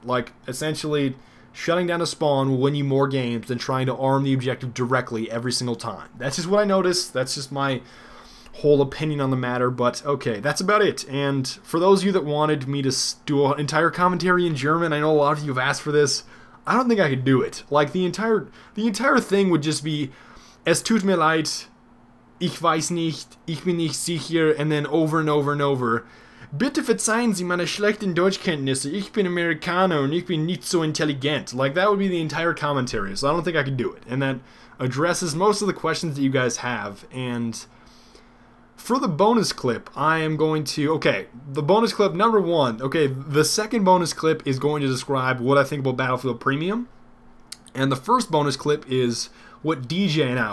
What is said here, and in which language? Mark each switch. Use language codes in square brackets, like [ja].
[en] Like, essentially, shutting down a spawn will win you more games than trying to arm the objective directly every single time. That's just what I noticed. That's just my whole opinion on the matter, but okay, that's about it. And for those of you that wanted me to do an entire commentary in German, I know a lot of you have asked for this. I don't think I could do it. Like, the entire thing would just be, [de] es tut mir leid, ich weiß nicht, ich bin nicht sicher, [en] and then over and over and over, [de] bitte verzeihen Sie meine schlechten Deutschkenntnisse, ich bin Amerikaner und ich bin nicht so intelligent. [en] Like, that would be the entire commentary, so I don't think I could do it. And that addresses most of the questions that you guys have. And for the bonus clip, I am going to, okay, the bonus clip number one, okay, the second bonus clip is going to describe what I think about Battlefield Premium, and the first bonus clip is what DJ now.